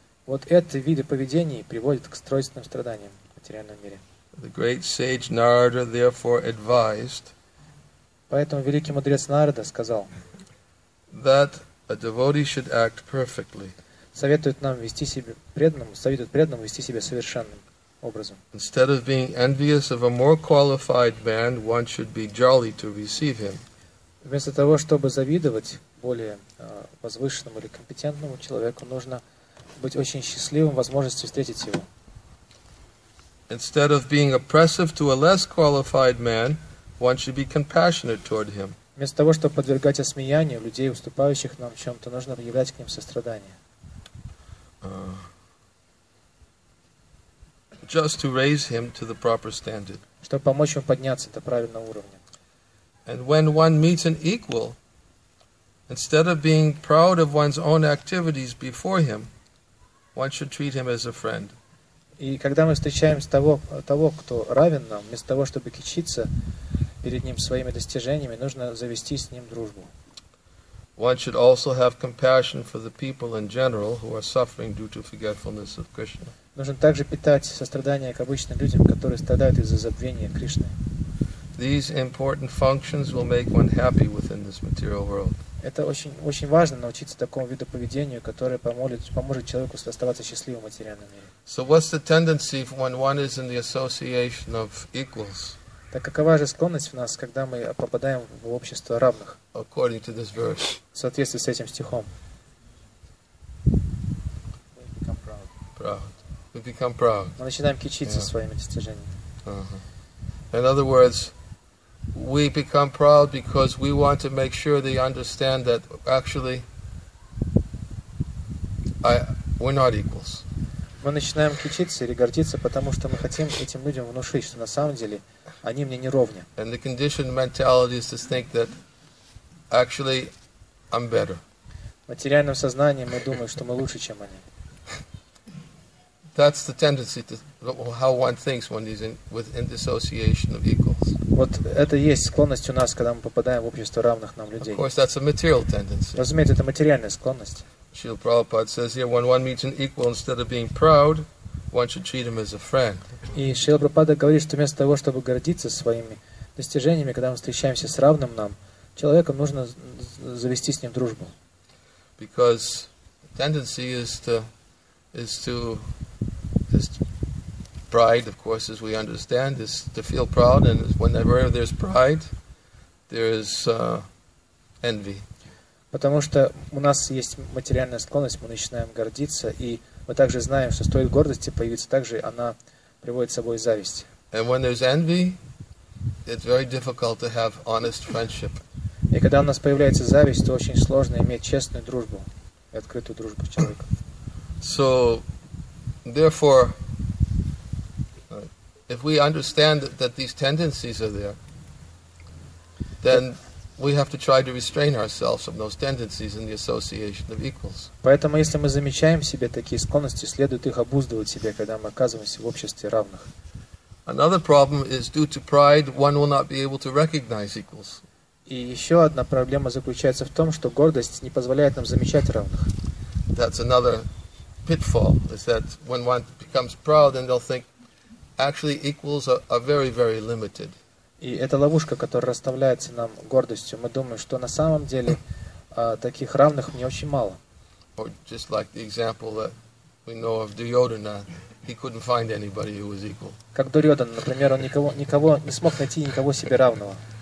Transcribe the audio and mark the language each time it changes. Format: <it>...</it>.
<ru>Вот эти виды поведения приводят к тройственным страданиям в материальном мире.</ru> <en>The great sage Narada therefore advised.</en> <ru>Поэтому великий мудрец Нарада сказал.</ru> <en>That a devotee should act perfectly.</en> <ru>Советует нам вести себя преданному, советует преданному вести себя совершенным образом.</ru> <en>Instead of being envious of a more qualified man, one should be jolly to receive him.</en> <ru>Вместо того, чтобы завидовать более возвышенному или компетентному человеку, нужно быть очень счастливым возможностью встретить его.</ru> <en>Instead of being oppressive to a less qualified man, one should be compassionate toward him.</en> <ru>Вместо того, чтобы подвергать осмеянию людей, уступающих нам в чем-то, нужно проявлять к ним сострадание.</ru> <en>Just to raise him to the proper standard.</en> <ru>Чтобы помочь ему подняться до правильного уровня.</ru> <en>And when one meets an equal, instead of being proud of one's own activities before him, one should treat him as a friend.</en> <ru>И когда мы встречаем того, кто равен нам, вместо того, чтобы кичиться перед ним своими достижениями, нужно завести с ним дружбу.</ru> <en>One should also have compassion for the people in general who are suffering due to forgetfulness of Krishna.</en> <ru>Нужно также питать сострадание к обычным людям, которые страдают из-за забвения Кришны.</ru> <en>These important functions will make one happy within this material world.</en> <ru>Это очень, очень важно научиться такому виду поведения, которое поможет человеку оставаться счастливым в материальном мире.</ru> <en>So what's the tendency when one is in the association of equals?</en> <ru>Так какова же склонность в нас, когда мы попадаем в общество равных?</ru> <en>According to this verse.</en> <ru>В соответствии с этим стихом.</ru> <en>We become proud. Proud. We become proud.</en> <ru>Мы начинаем кичиться своими достижениями.</ru> <en>In other words, we become proud because we want to make sure they understand that actually we're not equals.</en> <ru>Мы начинаем кичиться или гордиться, потому что мы хотим этим людям внушить, что на самом деле они мне не ровня.</ru> <en>And the conditioned mentality is to think that actually I'm better.</en> <ru>В материальном сознании мы думаем, что мы лучше, чем они.</ru> <en>That's the tendency to how one thinks when he's in within the association of equals.</en> <ru>Вот это есть склонность у нас, когда мы попадаем в общество равных нам людей.</ru> <en>Of course, that's a material tendency.</en> <ru>Разумеется, это материальная склонность.</ru> <en>Srila Prabhupada says here, when one meets an equal, instead of being proud, one should treat him as a friend.</en> <ru>И Шрила Прабхупада говорит, что вместо того, чтобы гордиться своими достижениями, когда мы встречаемся с равным нам человеком, нужно завести с ним дружбу.</ru> <en>Because the tendency is to pride, of course, as we understand, is to feel proud, and whenever there's pride, there is envy.</en> <ru>Потому что у нас есть материальная склонность, мы начинаем гордиться, и мы также знаем, что стоит гордости появиться, также она приводит с собой зависть.</ru> <en>And when there's envy, it's very difficult to have honest friendship.</en> <ru>И когда у нас появляется зависть, то очень сложно иметь честную дружбу и открытую дружбу с человеком.</ru> <en>So, therefore, if we understand that these tendencies are there, then we have to try to restrain ourselves from those tendencies in the association of equals.</en> <ru>Поэтому, если мы замечаем в себе такие склонности, следует их обуздывать себе, когда мы оказываемся в обществе равных.</ru> <en>Another problem is due to pride, one will not be able to recognize equals.</en> <ru>И еще одна проблема заключается в том, что гордость не позволяет нам замечать равных.</ru> <en>That's another pitfall, is that when one becomes proud, then they'll think actually equals are very, very limited.</en> <ru>И это ловушка, которая расставляется нам гордостью. Мы думаем, что на самом деле таких равных мне очень мало.</ru> <en>Or just like the example that we know of Duryodhana, he couldn't find anybody who was equal.</en> <ru>Как Дурьодан, например, он никого не смог найти никого себе равного.</ru>